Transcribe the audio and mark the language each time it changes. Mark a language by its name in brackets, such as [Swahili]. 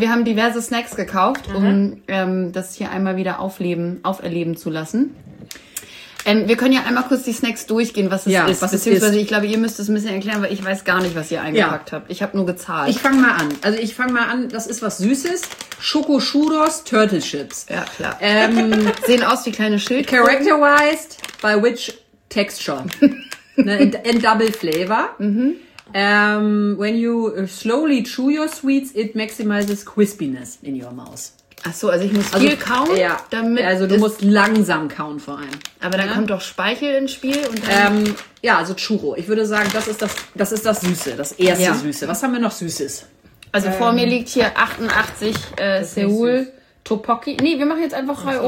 [German] Wir haben diverse Snacks gekauft, um das hier einmal wieder auferleben zu lassen. Wir können ja einmal kurz die Snacks durchgehen, was es ist. Was beziehungsweise es ist. Ich glaube, ihr müsst es ein bisschen erklären, weil ich weiß gar nicht, was ihr eingepackt habt. Ich habe nur gezahlt. Ich fange mal an. Also ich fange mal an, das ist was Süßes. Schoko Churros Turtle Chips. Ja, klar. sehen aus wie kleine Schild. [English] Characterized by which... Texture. Ne, in double flavor. Mm-hmm. When you slowly chew your sweets, it maximizes crispiness in your mouth. [German] Ach so, also ich muss viel kauen? Ja, damit also du musst langsam kauen vor allem. Aber dann kommt doch Speichel ins Spiel. Und Also Churro. Ich würde sagen, das ist das Süße, das erste Süße. Was haben wir noch Süßes? Also vor mir liegt hier 88 Seoul. Tteokbokki. Nee, wir machen jetzt einfach rein.